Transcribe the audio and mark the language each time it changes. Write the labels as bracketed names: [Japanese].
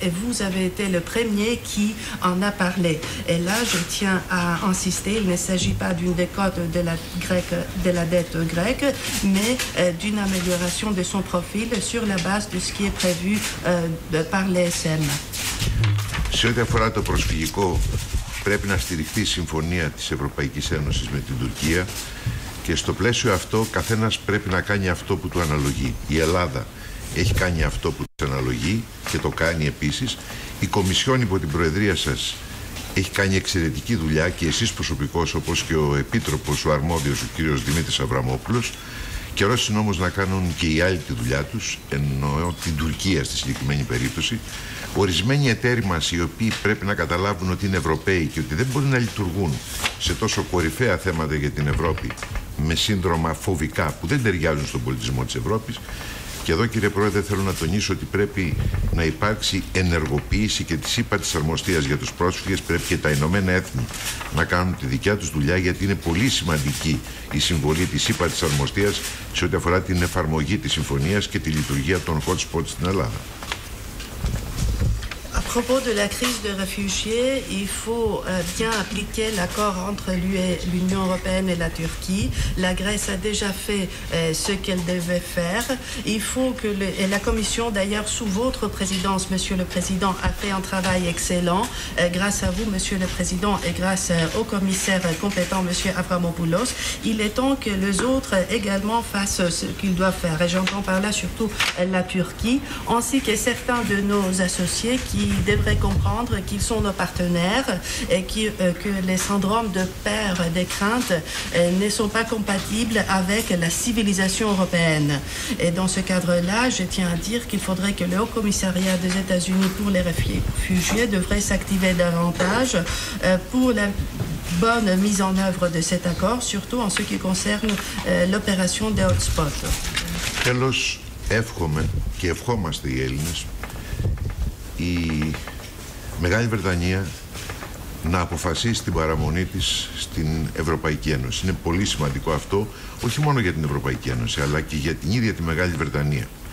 [French] Et vous avez été le premier qui en a parlé. Et là, je tiens à insister, il ne s'agit pas d'une décote de la dette grecque, mais d'une amélioration de son profil sur la base de ce qui est prévu par l'ESM. [Greek] Σε ό,τι αφορά το προσφυγικό, πρέπει να στηριχθεί η συμφωνία της Ευρωπαϊκής Ένωσης με την Τουρκία. Και στο πλαίσιο αυτό, καθένας πρέπει να κάνει αυτό που του αναλογεί. Η Ελλάδα έχει κάνει αυτό που της αναλογεί και το κάνει επίσης. Η Κομισιόν υπό την Προεδρία σας έχει κάνει εξαιρετική δουλειά και εσείς προσωπικώς, όπως και ο Επίτροπος, ο αρμόδιος, ο κύριος Δημήτρης Αβραμόπουλος. Καιρός είναι όμως να κάνουν και οι άλλοι τη δουλειά τους, εννοώ την Τουρκία στη συγκεκριμένη περίπτωση. Ορισμένοι εταίροι μας, οι οποίοι πρέπει να καταλάβουν ότι είναι Ευρωπαίοι και ότι δεν μπορούν να λειτουργούν σε τόσο κορυφαία θέματα για την Ευρώπη, με σύνδρομα φοβικά που δεν ταιριάζουν στον πολιτισμό της Ευρώπης, Και εδώ, κύριε Πρόεδρε, θέλω να τονίσω ότι πρέπει να υπάρξει ενεργοποίηση και της ύπαρξης αρμοστίας για τους πρόσφυγες. Πρέπει και τα Ηνωμένα Έθνη να κάνουν τη δικιά τους δουλειά, γιατί είναι πολύ σημαντική η συμβολή της ύπαρξης αρμοστίας σε ό,τι αφορά την εφαρμογή της συμφωνίας και τη λειτουργία των hot spots στην Ελλάδα. [French] À propos de la crise de réfugiés, il faut bien appliquer l'accord entre l'Union européenne et la Turquie. La Grèce a déjà fait ce qu'elle devait faire. Il faut que et la Commission, d'ailleurs, sous votre présidence, Monsieur le Président, a fait un travail excellent. Grâce à vous, Monsieur le Président, et grâce au commissaire compétent, Monsieur Avramopoulos, il est temps que les autres également fassent ce qu'ils doivent faire. Et j'entends par là surtout la Turquie, ainsi que certains de nos associés qui ils devraient comprendre qu'ils sont nos partenaires et que les syndromes de peur des craintes ne sont pas compatibles avec la civilisation européenne. Et dans ce cadre-là, je tiens à dire qu'il faudrait que le Haut Commissariat des États-Unis pour les réfugiés devrait s'activer davantage pour la bonne mise en œuvre de cet accord, surtout en ce qui concerne l'opération des hotspots. [Greek] Τέλος, εύχομαι και ευχόμαστε οι Έλληνες η Μεγάλη Βρετανία να αποφασίσει την παραμονή της στην Ευρωπαϊκή Ένωση. Είναι πολύ σημαντικό αυτό, όχι μόνο για την Ευρωπαϊκή Ένωση, αλλά και για την ίδια τη Μεγάλη Βρετανία.